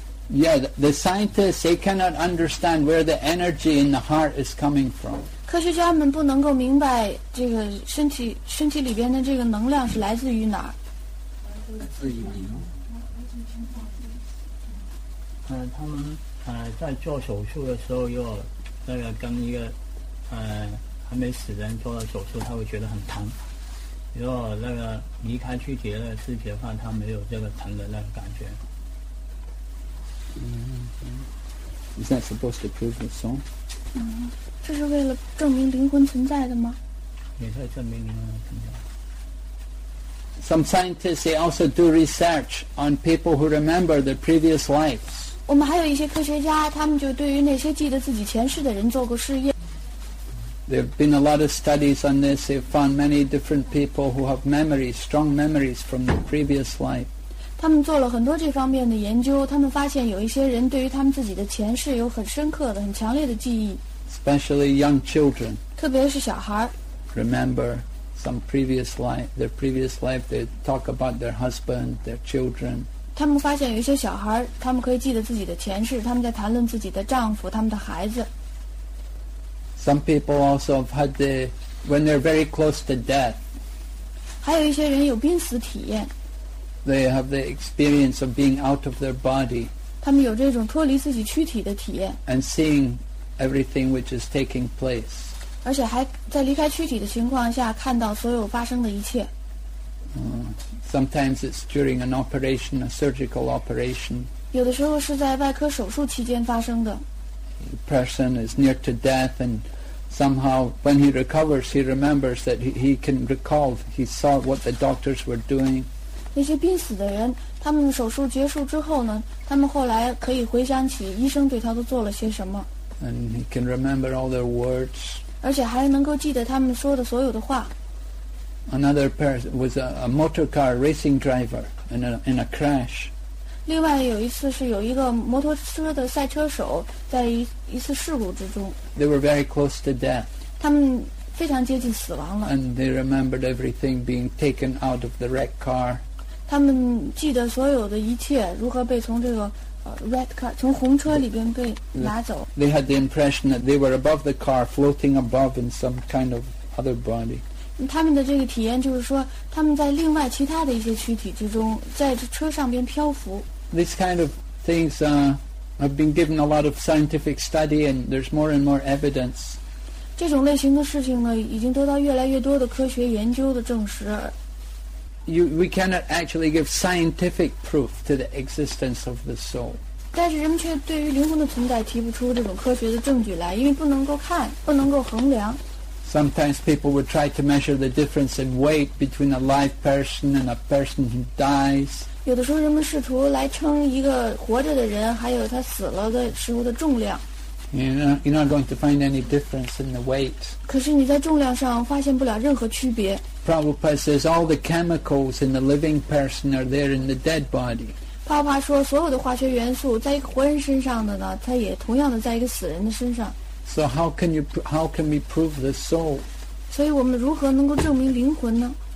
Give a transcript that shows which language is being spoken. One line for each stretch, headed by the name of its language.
English: Yeah, the scientists, they cannot understand where the energy in the heart is coming from.
Chinese: 科学家们不能够明白这个身体里边的这个能量是来自于哪儿。来自于灵。他们在做手术的时候，又那个跟一个还没死人做了手术，他会觉得很疼。如果那个离开躯体的世界的话，他没有这个疼的那个感觉。 Mm-hmm.
English: Is that supposed to prove the song?
Chinese: 这是为了证明灵魂存在的吗？也可以证明灵魂存在。
English: Some scientists, they also do research on people who remember their previous lives.
Chinese: 我们还有一些科学家，他们就对于那些记得自己前世的人做过试验。
English: There have been a lot of studies on this. They've found many different people who have memories, strong memories from their previous life.
Chinese: 他们做了很多这方面的研究，他们发现有一些人对于他们自己的前世有很深刻的、很强烈的记忆。
English: Especially young children.
Chinese: 特别是小孩。
English: Remember some previous life, their previous life. They talk about their husband, their children.
Chinese: 他们发现有一些小孩，他们可以记得自己的前世，他们在谈论自己的丈夫、他们的孩子。
English: Some people also have had the, when they're very close to death.
Chinese: 还有一些人有濒死体验。
English: They have the experience of being out of their body.
Chinese: 他们有这种脱离自己躯体的体验。
English: And seeing everything which is taking place.
Chinese: 而且还在离开躯体的情况下看到所有发生的一切。
English: Sometimes it's during an operation, a surgical operation.
Chinese: 有的时候是在外科手术期间发生的。
English: The person is near to death, and somehow, when he recovers, he remembers that he can recall. He saw what the doctors were doing.
Chinese: 那些濒死的人，他们手术结束之后呢，他们后来可以回想起医生对他都做了些什么。
English: And he can remember all their words.
Chinese: 而且还能够记得他们说的所有的话。
English: Another person was a motor car racing driver in a crash.
Chinese: 另外有一次是有一个摩托车的赛车手在一次事故之中。
English: They were very close to death.
Chinese: 他们非常接近死亡了。
English: And they remembered everything being taken out of the wrecked car.
Chinese: 他们记得所有的一切如何被从这个
English: wrecked car
Chinese: 从红车里边被拿走。
English: They had the impression that they were above the car, floating above in some kind of other body.
Chinese: 他们的这个体验就是说，他们在另外其他的一些躯体之中，在车上边漂浮。
English: These kind of things have been given a lot of scientific study, and there's more and more evidence.
Chinese: 这种类型的事情呢，已经得到越来越多的科学研究的证实。
English: We cannot actually give scientific proof to the existence of the soul.
Chinese: 但是人们却对于灵魂的存在提不出这种科学的证据来，因为不能够看，不能够衡量。
English: Sometimes people would try to measure the difference in weight between a live person and a person who dies.
Chinese: 有的时候人们试图来称一个活着的人还有他死了的时候的重量。
English: You're not going to find any difference in the weight.
Chinese: 可是你在重量上发现不了任何区别。
English: Prabhupada says all the chemicals in the living person are there in the dead body.
Chinese: 帕帕说所有的化学元素在一个活人身上的呢，它也同样的在一个死人的身上。
English: So how can we prove the soul?
Chinese: 所以我们如何能够证明灵魂呢？